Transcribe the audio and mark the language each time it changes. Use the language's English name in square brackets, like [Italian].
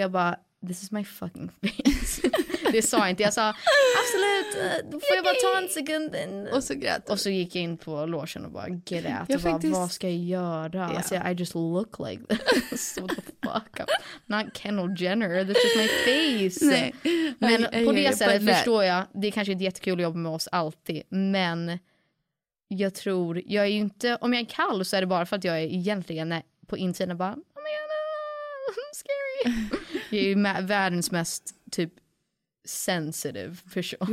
[Swedish] Och jag bara, [English] this is my fucking face. [Swedish] Det sa jag inte. Jag sa, absolut, då får jag bara ta en sekund. Och så grät. Och så gick jag in på logen och bara grät. Jag bara, vad ska jag göra? [English] Yeah. Alltså, I just look like this. What the fuck? I'm not Kendall Jenner, this is my face. [Swedish] Nej. Men förstår jag, det är kanske inte jättekul att jobba med oss alltid. Men jag tror, jag är ju inte, om jag är kall så är det bara för att jag är egentligen på insidan bara, [English] oh my god, I'm scary. [Swedish] Jag är ju världens mest typ [English] sensitive, for sure.